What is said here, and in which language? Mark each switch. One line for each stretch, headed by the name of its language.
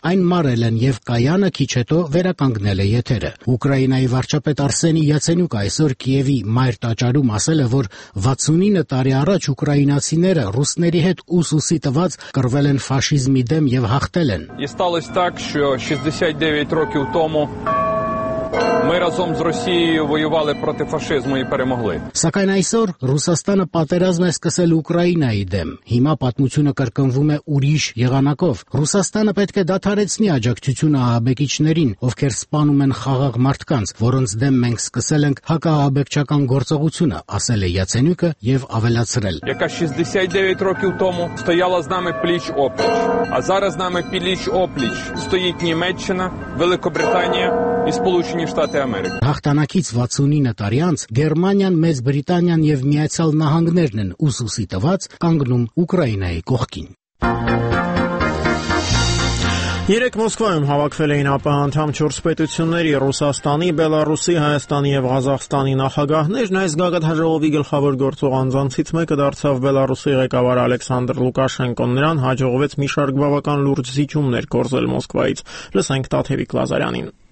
Armenian: այն մարել են և կայանը քիչ հետո վերականգնել է եթերը։ Ուկրաինայի վարչապետ Արսենի Յացենյուկը այսօր Կիևի մայր տաճարում ասել է, որ 69 տարի առաջ ուկրաինացիները ռուսների հետ ուսուսի տված կռվել են ֆաշիզմի դեմ և հաղթել են։
Ukrainian: Ми разом з Росією воювали проти фашизму і перемогли.
Armenian: Սակայն այսօր Ռուսաստանը պատերազմ է սկսել Ուկրաինայի դեմ։ Հիմա պատմությունը կրկնվում է ուրիշ եղանակով։ Ռուսաստանը պետք է դադարեցնի աջակցությունը ահաբեկիչներին, ովքեր սպանում են խաղաղ մարդկանց, որոնց դեմ մենք սկսել ենք հակաահաբեկչական գործողությունը, ասել է Յացենյուկը եւ ավելացրել.
Ukrainian: Яка 69 років тому стояла з нами пліч-о-пліч, а зараз з нами пліч-о-пліч стоїть Німеччина, Великобританія і Сполучені Штати Америки.
Armenian: Հաղթանակից 69 տարի անց Գերմանիան, Մեծ Բրիտանիան եւ Միացյալ Նահանգներն են ուսուսի տված կանգնում Ուկրաինայի կողքին։ Երեք Մոսկվայում հավաքվել էին ապահանդամ 4 պետությունների՝ Ռուսաստանի, Բելարուսի, Հայաստանի եւ Ղազախստանի նախագահներն, այս գագաթաժողովի գլխավոր գործող անձանցից մեկը դարձավ Բելարուսի ղեկավար Ալեքսանդր Լուկաշենկոն, նրան հաջողվեց մի շարք բավական լուրջ զիջումներ կորզել Մոսկվայից։ Լսենք Տաթևիկ Լազարյանին։